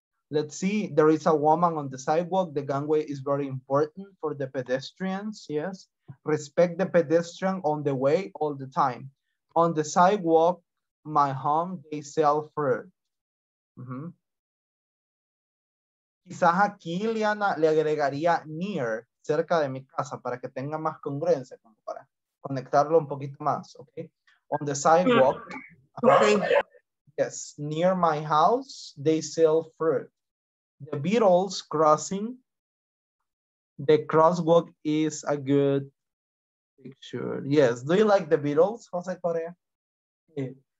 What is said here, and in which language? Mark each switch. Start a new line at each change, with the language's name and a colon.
English: Let's see, there is a woman on the sidewalk. The gangway is very important for the pedestrians, yes. Respect the pedestrian on the way all the time. On the sidewalk, my home, they sell fruit. Mm-hmm.
Spanish: Quizás aquí, Liana, le agregaría near, cerca de mi casa, para que tenga más congruencia, como para conectarlo un poquito más, okay?
English: On the sidewalk, yes, near my house, they sell fruit. The Beatles crossing, the crosswalk is a good picture. Yes, do you like the Beatles, Jose Correa? Yeah.